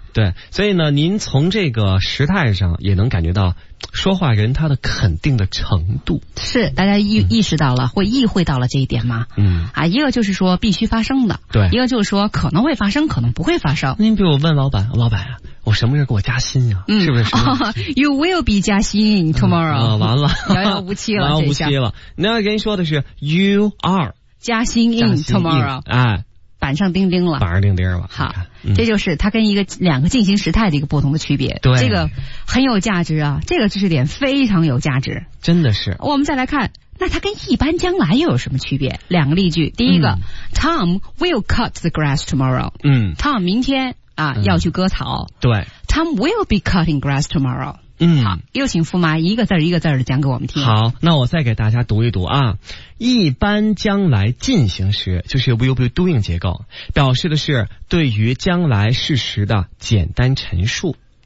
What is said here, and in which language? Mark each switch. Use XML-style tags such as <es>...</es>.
<zh>对对，所以呢，您从这个时态上也能感觉到说话人他的肯定的程度。是，大家意识到了，会意会到了这一点吗？嗯啊，一个就是说必须发生的，对； 一个就是说可能会发生，可能不会发生。您比如问老板，老板啊。我什么人给我加薪啊、嗯、是不是、</zh> <en>You will be 加薪 tomorrow、嗯</en> <zh>完了遥遥无期了，遥遥无期了。那人说的是</zh> <en>You are 加薪 in tomorrow，</en> <zh>哎，板上钉钉了，板上钉钉了。好、这就是它跟两个进行时态的一个不同的区别。对，这个很有价值啊，这个知识点非常有价值，真的是。我们再来看，那它跟一般将来又有什么区别？两个例句，第一个、</zh> <en>Tom will cut the grass tomorrow。</en> <zh>嗯， Tom 明天啊、要去割草。对，</zh> <en>Tom will be cutting grass tomorrow。</en> <zh>嗯，好，又请富妈一个字一个字的讲给我们听。好，那我再给大家读一读啊。一般将来进行时就是</zh> <en>will be doing</en> <zh>结构，表示的是对于将来事实的简单陈述。</zh>